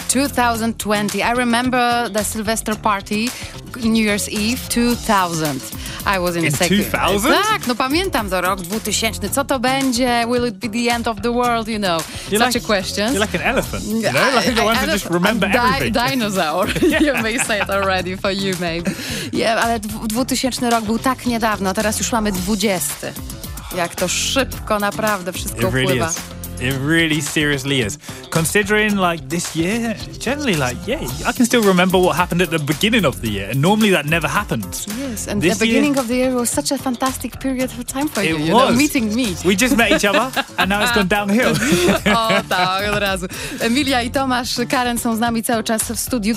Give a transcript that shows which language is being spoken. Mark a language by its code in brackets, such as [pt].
[en] 2020. I remember the Sylvester party, New Year's Eve, 2000. I was in second. 2000? [pl] Tak, no pamiętam to, rok 2000. Co to będzie? [en] Will it be the end of the world? You know, you're such like, a question. You're like an elephant, you know? Like the ones that just remember everything. Dinosaur. Yeah. You may say it already for you, maybe. [pl] Yeah, ale 2000 rok był tak niedawno, teraz już mamy 20. Jak to szybko naprawdę wszystko [en] it really [pl] upływa. [en] Is. It really seriously is. Considering like this year, generally like, yeah, I can still remember what happened at the beginning of the year. And normally that never happens. Yes, and this the beginning year, of the year was such a fantastic period of time for it you. It was. You know, meeting me. We just met each other and now it's gone downhill. [pl] Oh, tak, od razu. Emilia i Tomasz, Karen są z nami cały czas w studiu.